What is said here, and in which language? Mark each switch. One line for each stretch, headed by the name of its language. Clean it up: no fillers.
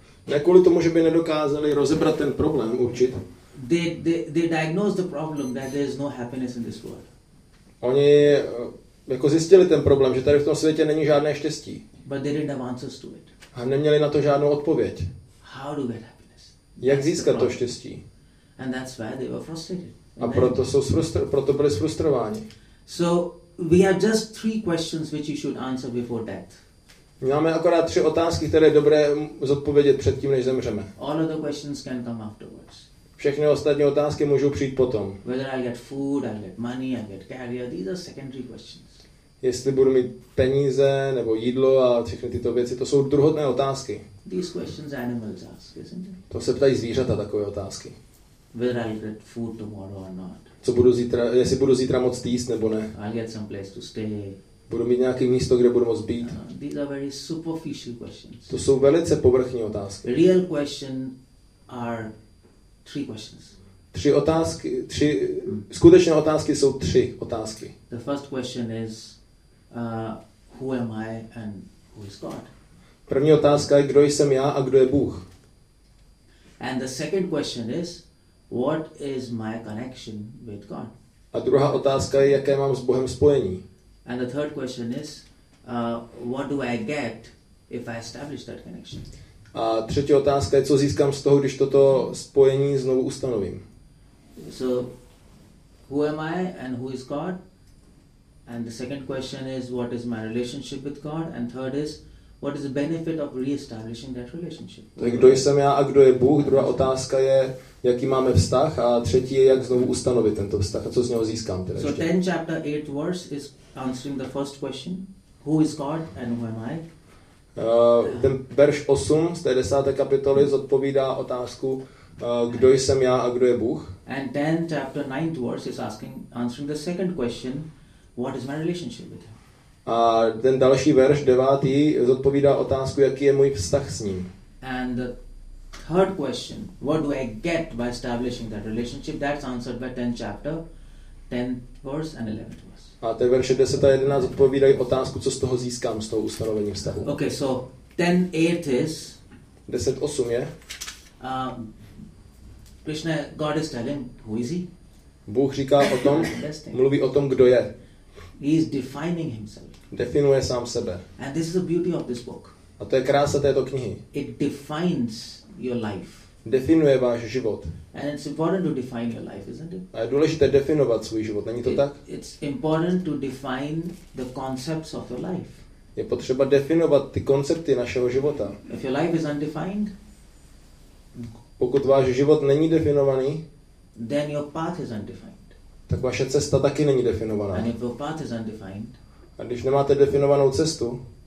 Czech: Ne kvůli tomu, že by nedokázali rozebrat ten problém, určit.
English: They diagnosed the problem that there is no happiness in this world.
Czech: Oni jako zjistili ten problém, že tady v tom světě není žádné štěstí.
English: But they didn't have answers to it.
Czech: A neměli na to žádnou odpověď.
English: How to get happiness?
Czech: Jak získat to štěstí?
English: And that's why they were frustrated.
Czech: A proto jsou proto byli frustrováni.
English: So we have just three questions which you should answer before death.
Czech: Máme akorát tři otázky, které je dobré zodpovědět předtím, než zemřeme.
English: All of the questions can come afterwards.
Czech: Všechny ostatní otázky můžou přijít potom.
English: Whether I get food, I get money, I get career, these are secondary questions.
Czech: Jestli budu mít peníze nebo jídlo a všechny tyto věci, to jsou druhotné otázky.
English: These questions animals ask, isn't it?
Czech: To se ptají zvířata, takové otázky.
English: Whether I get food tomorrow or not.
Czech: Co budu zítra, jestli budu zítra moc jíst nebo ne.
English: I'll get some place to stay.
Czech: Budu mít nějaké místo, kde budu moc být.
English: These are very superficial questions.
Czech: To jsou velice povrchní otázky.
English: Real questions are three questions.
Czech: Tři otázky, tři skutečné otázky jsou tři otázky.
English: The first question is who am I and who is God?
Czech: První otázka je, kdo jsem já a kdo je Bůh.
English: And the second question is what is my connection with God?
Czech: A druhá otázka je, jaké mám s Bohem spojení.
English: And the third question is what do I get if I establish that connection?
Czech: A třetí otázka je, co získám z toho, když toto spojení znovu ustanovím.
English: So, who am I and who is God? And the second question is, what is my relationship with God? And third is, what is the benefit of re-establishing that relationship?
Czech: Tak kdo jsem já a kdo je Bůh? Druhá otázka je, jaký máme vztah? A třetí je, jak znovu ustanovit tento vztah? A co z něho získám teda ještě?
English: So, 10 chapter 8 verse is answering the first question. Who is God and who am I?
Czech: Ten verš 8 z té 10. kapitoly zodpovídá otázku, kdo jsem já a kdo je Bůh.
English: And then chapter 9 verse is answering the second question, what is my relationship with him?
Czech: A ten další verš 9. zodpovídá otázku, jaký je můj vztah s ním.
English: And the third question, what do I get by establishing that relationship? That's answered by 10th chapter, 10th verse and 11th verse.
Czech: A ty verše 10 a 11 odpovídají otázku, co z toho získám, z toho ustanovení vztahu.
English: Okay, so 10.8 is...
Czech: 10.8 je...
English: Krishna, God is telling, who is he?
Czech: Bůh říká o tom, mluví o tom, kdo je.
English: He is defining himself.
Czech: Definuje sám sebe.
English: And this is the beauty of this book.
Czech: A to je krása této knihy.
English: It defines your life.
Czech: definuje váš život.
English: And it's important to define your life, isn't it?
Czech: A je důležité definovat svůj život, není to tak?
English: It's important to define the concepts of your life.
Czech: Je potřeba definovat ty koncepty našeho života.
English: If your life is undefined,
Czech: pokud váš život není definovaný,
English: then your path is undefined.
Czech: Tak vaše cesta taky není definovaná.
English: And if your path is undefined,
Czech: a když nemáte definovanou cestu,